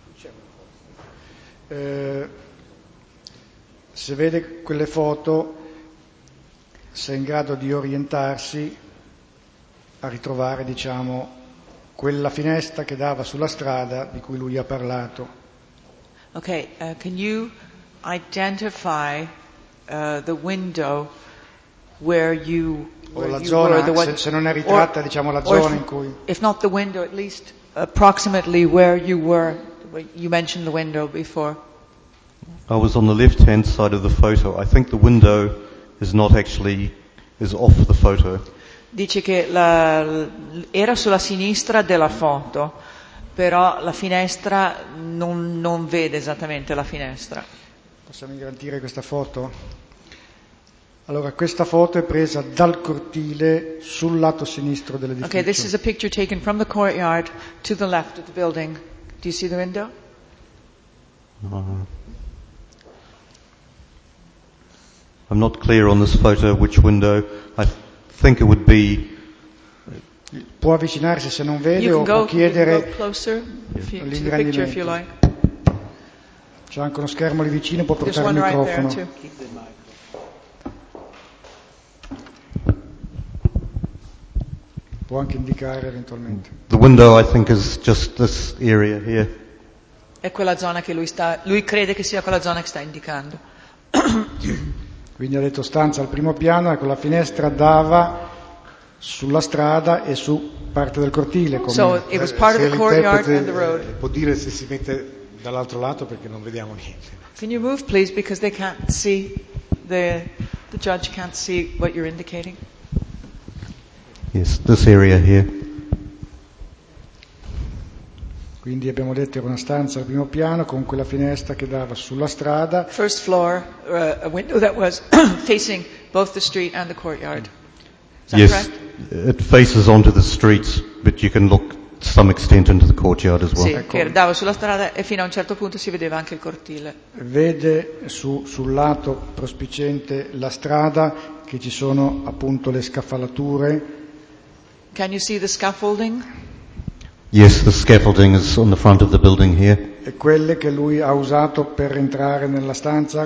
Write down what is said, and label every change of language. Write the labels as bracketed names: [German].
[Italian] C'è una foto. Se vede quelle foto, se è in grado di orientarsi a ritrovare, diciamo, quella finestra che dava sulla strada di cui lui ha parlato. [English] Okay, can you identify the window where you if not the window, at least approximately where you were? You mentioned the window before. I was on the left-hand side of the photo. I think the window is off the photo. [Italian] Dice che era sulla sinistra della foto, però la finestra non vede esattamente la finestra. Possiamo garantire questa foto? Allora, questa foto è presa dal cortile sul lato sinistro dell'edificio. [English] Okay, this is a picture taken from the courtyard to the left of the building. Do you see the window? I'm not clear on this photo which window. I think it would be. [Italian] Può avvicinarsi se non vede, [English] you [Italian] o può chiedere. [English] Go closer, yeah. To the picture if you like. [Italian] C'è anche uno schermo lì vicino, può portare il microfono. Può anche indicare eventualmente. [English] The window, I think, is just this area here. [Italian] È quella zona che lui crede che sia quella zona che sta indicando. Quindi ha detto stanza al primo piano, ecco, la finestra dava sulla strada e su parte del cortile. Come, [English] so it was part of the courtyard and the road. [Italian] Può dire se si mette dall'altro lato perché non vediamo niente. [English] Can you move, please, because they can't see, the judge can't see what you're indicating. Yes, this area here. [Italian] Quindi abbiamo detto era una stanza al primo piano con quella finestra che dava sulla strada. [English] First floor, a window that was facing both the street and the courtyard. Yes, correct? It faces onto the streets, but you can look to some extent into the courtyard as well. [Italian] Sì, ecco. Che dava sulla strada e fino a un certo punto si vedeva anche il cortile. Vede sul lato prospiciente la strada che ci sono appunto le scaffalature. [English] Can you see the scaffolding? Yes, the scaffolding is on the front of the building here. [Italian] E quelle che lui ha usato per entrare nella stanza.